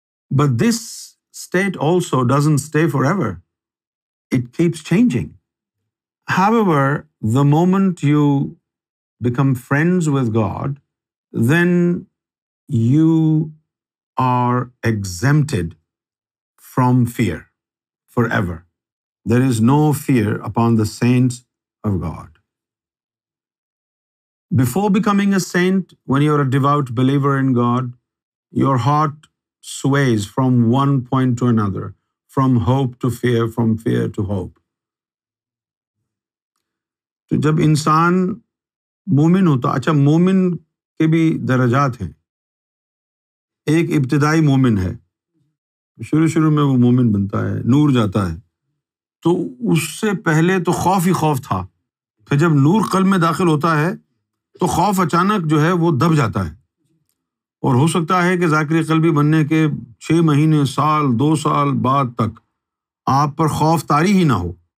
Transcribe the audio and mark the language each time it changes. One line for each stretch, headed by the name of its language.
English: But this state also doesn't stay for ever, it keeps changing. However, the moment you become friends with God, then you are exempted from fear forever. There is no fear upon the saints of God. Before becoming a saint, when you are a devout believer in God, your heart sways from one point to another, from hope to fear, from fear to hope.
Urdu: تو جب انسان مومن ہوتا، اچھا مومن کے بھی درجات ہیں، ایک ابتدائی مومن ہے، شروع شروع میں وہ مومن بنتا ہے، نور جاتا ہے، تو اس سے پہلے تو خوف ہی خوف تھا، پھر جب نور قلب میں داخل ہوتا ہے تو خوف اچانک جو ہے وہ دب جاتا ہے، اور ہو سکتا ہے کہ ذاکر قلبی بننے کے 6 مہینے، سال، 2 سال بعد تک آپ پر خوف طاری ہی نہ ہو،